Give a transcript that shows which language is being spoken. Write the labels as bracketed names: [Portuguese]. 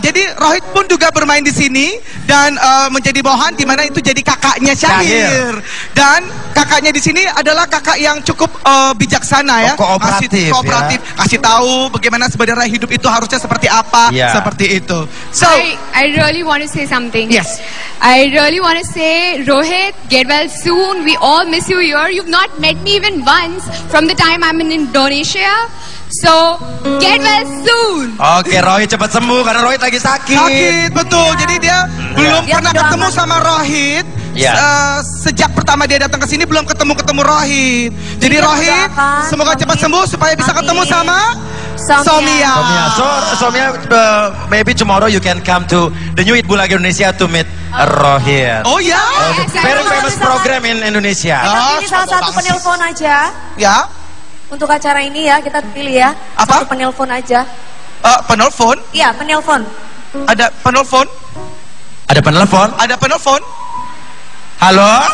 [Indonesian] Jadi Rohit pun juga bermain di sini dan menjadi Mohan, di mana itu jadi kakaknya Syahir. Dan kakaknya di sini adalah kakak yang cukup bijaksana ya, kooperatif, kasih tahu bagaimana sebenarnya hidup itu harusnya seperti apa, seperti itu. [English] So, I really want to say something. Yes. I really want to say, Rohit, get well soon. We all miss you here. You've not met me even once from the time I'm in Indonesia. So, get well soon. [Indonesian] Oke, Rohit cepat sembuh karena Rohit lagi sakit. Sakit, betul. Jadi dia belum pernah ketemu sama Rohit. Sejak pertama dia datang ke sini belum ketemu Rohit. Jadi Rohit, semoga cepat sembuh supaya bisa ketemu sama Somia. [English] So, Somia, maybe tomorrow you can come to the new Itbu Lagi Indonesia to meet Rohit. [Indonesian] Oh ya? [English] Very famous program in Indonesia. [Indonesian] Kita pilih salah satu penelpon aja. Ya. Untuk acara ini ya, kita pilih ya. Apa? Satu penelpon aja. Penelpon? Iya, penelpon. Ada penelpon? Ada penelpon? Ada penelpon? Halo?